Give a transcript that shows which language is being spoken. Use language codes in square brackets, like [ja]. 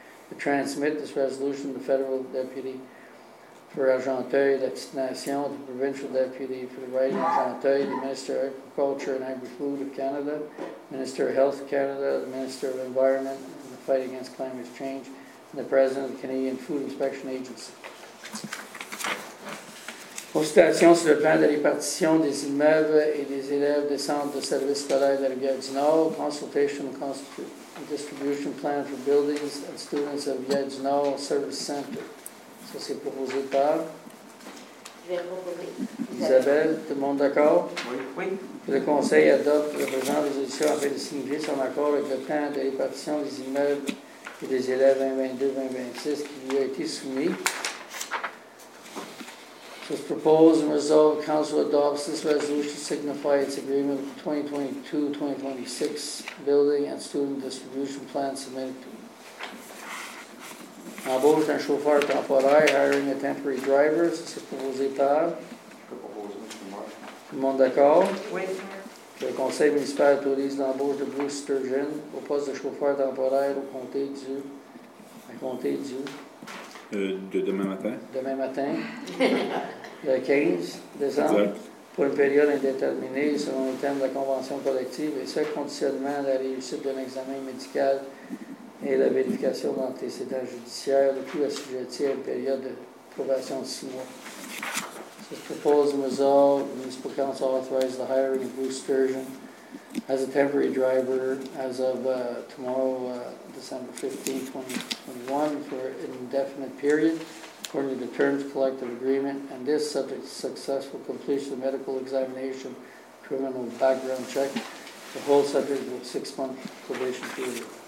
[en] To transmit this resolution to the federal deputy for Argenteuil, l'Extination, the provincial deputy for the riding of Argenteuil, the Minister of Agriculture and Agri-Food of Canada, Minister of Health of Canada, the Minister of Environment and the Fight Against Climate Change, and the President of the Canadian Food Inspection Agency. [fr] Constatation sur le plan de répartition des immeubles et des élèves des centres de services scolaires de la Rivière-du-Nord. [en] Consultation and distribution plan for buildings and students of Rivière-du-Nord Service Center. [fr] Ça, c'est proposé par... Je vais proposer. Isabelle, tout le monde d'accord? Oui. Le conseil adopte la présente résolution afin de signifier son accord avec le plan de répartition des immeubles et des élèves 2022-2026 qui lui a été soumis. [en] So it's proposed and resolved, Council adopts this resolution to signify its agreement with the 2022-2026 Building and Student Distribution Plan submitted to it. [fr] Embauche d'un chauffeur temporaire, [en] hiring a temporary driver, [fr] c'est proposé par? Je propose, monsieur. Tout le monde d'accord? Oui. Le conseil municipal autorise l'embauche de Bruce Sturgeon au poste de chauffeur temporaire au comté du... De demain matin? Demain matin, le 15 décembre, exact. Pour une période indéterminée selon les termes de la convention collective et ce, conditionnement à la réussite d'un examen médical et la vérification d'antécédents judiciaires, le tout assujetti à une période de probation de 6 mois. [en] Ce proposal resolve, the municipal council authorized the hiring of Bruce Sturgeon as a temporary driver as of tomorrow, December 15, 2021, for an indefinite period, according to the terms collective agreement, and this subject to successful completion of medical examination, criminal background check, the whole subject with 6 month probation period.